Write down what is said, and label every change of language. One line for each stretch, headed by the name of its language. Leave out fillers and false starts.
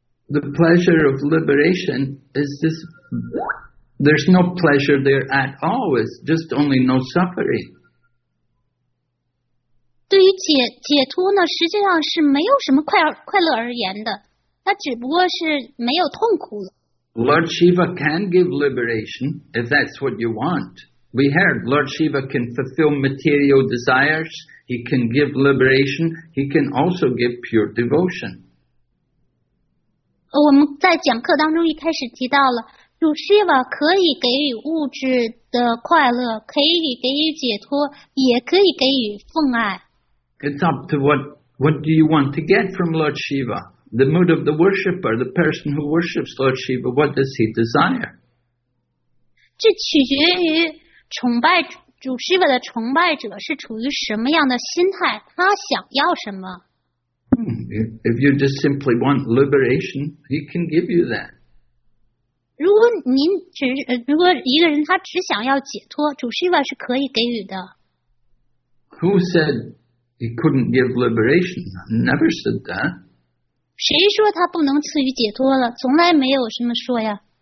English: The pleasure of liberation is this. There's no pleasure there at all. It's just only no suffering.
Chinese: 对于解脱呢，实际上是没有什么快乐而言的，它只不过是没有痛苦了。
English: Lord Shiva can give liberation if that's what you want. We heard Lord Shiva can fulfill material desires. He can give liberation. He can also give pure devotion.
Chinese: 我们在讲课当中一开始提到了，主希瓦可以给予物质的快乐，可以给予解脱，也可以给予奉爱。
English: It's up to what do you want to get from Lord Shiva? The mood of the worshipper, the person who worships Lord Shiva, what does he desire?
Chinese: 这取决于崇拜主希瓦的崇拜者是处于什么样的心态，他想要什么。
English: If you just simply want liberation, he can give you that.
Chinese: 如果您只如果一个人他只想要解脱，主希瓦是可以给予的。
English: Who said he couldn't give liberation? Never said that.
Chinese: 谁说他不能赐予解脱了？从来没有这么说呀。